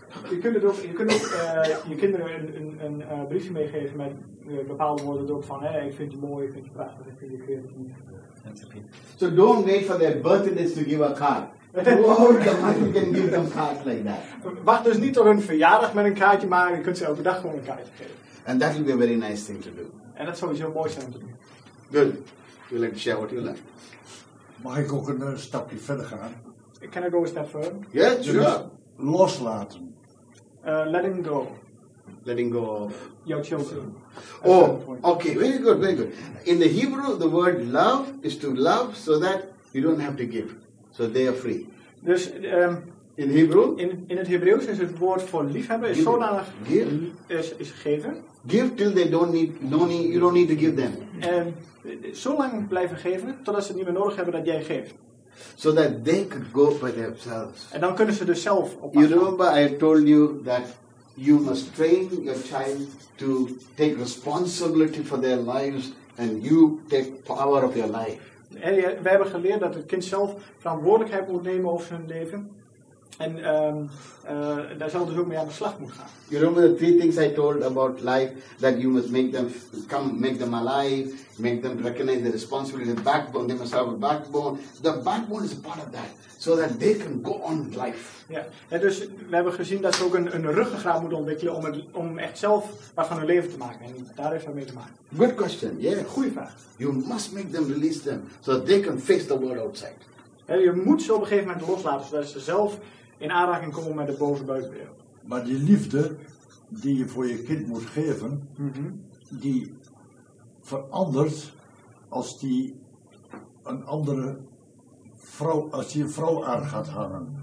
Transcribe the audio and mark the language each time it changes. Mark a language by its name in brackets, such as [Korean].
[Dutch] Je kunt, het ook, je kunt ook je kinderen een briefje meegeven met bepaalde woorden ook van hey, ik vind je mooi, ik vind je prachtig, ik vind je creatief. [English] So don't wait for their birthdays to give a card. Hold the money, you can give them cards like that. [Dutch] Wacht dus niet tot hun verjaardag met een kaartje, maar je kunt ze elke dag gewoon een kaartje geven. [English] And that will be a very nice thing to do. [Dutch] En dat zou iets heel moois zijn om te doen. [English] Good. You like to share what you like. [Dutch] Mag ik ook een stapje verder gaan? [English] Can I go a step further? Yeah, sure. [Dutch] Loslaten. [English] Letting go. Letting go of your children. Oh, okay, very good, very good. In the Hebrew, the word love is to love so that you don't have to give. So they are free. [Dutch] Dus, [English] in Hebrew? [Dutch] In het Hebreeuws is het woord voor liefhebben is zodanig is geven. [English] Give till they don't need, you don't need to give them. [Dutch] Zo lang blijven geven totdat ze het niet meer nodig hebben dat jij geeft. [English] So that they could go by themselves. [Dutch] En dan kunnen ze dus zelf op. [English] You remember I told you that you must train your child to take responsibility for their lives and you take power of your life. [Dutch] En we hebben geleerd dat het kind zelf verantwoordelijkheid moet nemen over zijn leven. En daar zelf dus ook mee aan de slag moet gaan. [English] You remember the three things I told about life, that you must make them come, make them alive, make them recognize the responsibility, the backbone, they must have a backbone. The backbone is a part of that, so that they can go on with life. [Dutch] Ja, en dus we hebben gezien dat ze ook een ruggengraat moeten ontwikkelen om, om echt zelf wat van hun leven te maken. En daar heeft dat mee te maken. [English] Good question, yeah. [Dutch] Goeie vraag. [English] You must make them release them, so that they can face the world outside. [Dutch] Ja, je moet ze op een gegeven moment loslaten, zodat ze zelf in aanraking komen met de boze buitenwereld. Maar die liefde die je voor je kind moet geven, die verandert als die een andere vrouw, als die een vrouw aan gaat hangen.